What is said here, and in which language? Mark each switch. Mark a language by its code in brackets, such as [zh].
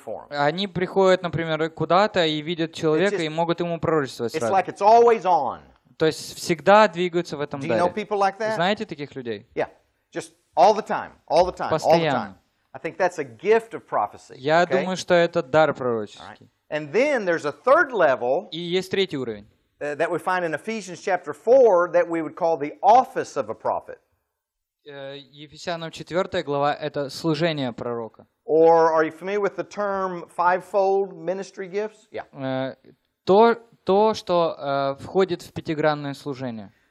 [ru] Они приходят, например, куда-то и видят человека и могут ему пророчествовать сразу. [en] It's like it's always on. [ru] То есть всегда двигаются в этом даре. [en] Do you know people like that? [ru] Знаете таких людей? [en] Yeah. Just all the time, all the time, [ru] постоянно. [en] All the time. I think that's a gift of prophecy. [ru] Я думаю, что это дар пророческий. [en] And then there's a third level. [ru] И есть третий уровень. [en] That we find in Ephesians chapter 4 that we would call the office of a prophet. [ru] Ефесянам 4 глава это служение пророка. [en] Or are you familiar with the term fivefold ministry gifts? Yeah. [ru] То, что входит в пятигранное служение.